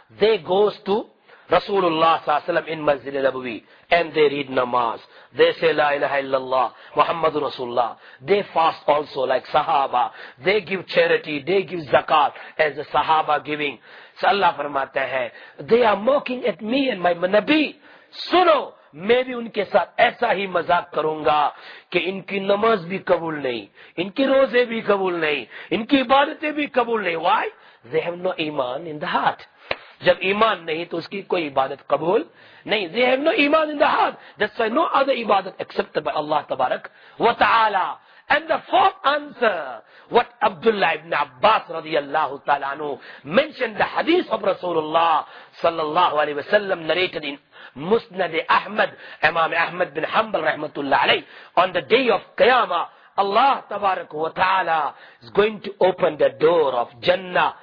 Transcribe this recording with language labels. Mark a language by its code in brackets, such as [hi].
[en] They goes to Rasulullah sallallahu alaihi wasallam in Masjid al-Nabawi and they read namaz. They say la ilaha illallah Muhammadur Rasulullah. They fast also like sahaba. They give charity, they give zakat as the sahaba giving. So [ur] Allah farmata hai, [en] they are mocking at me and my nabi. [ur] Suno, میں بھی ان کے ساتھ ایسا ہی مذاق کروں گا کہ ان کی نماز بھی قبول نہیں, ان کی روزے بھی قبول نہیں, ان کی عبادتیں بھی قبول نہیں. [en] Why? They have no ایمان in the heart. [ur] جب ایمان نہیں تو اس کی کوئی عبادت قبول نہیں. [en] They have no ایمان in the heart. That's why no other عبادت except by Allah تبارک و تعالی. And the fourth answer, what Abdullah ibn Abbas radiyallahu ta'ala anhu mentioned the hadith of Rasulullah sallallahu alayhi wa sallam narrated in Musnad Ahmad, Imam Ahmad bin Hanbal rahmatullah alayhi, on the day of Qiyamah, Allah tabarak wa ta'ala is going to open the door of Jannah.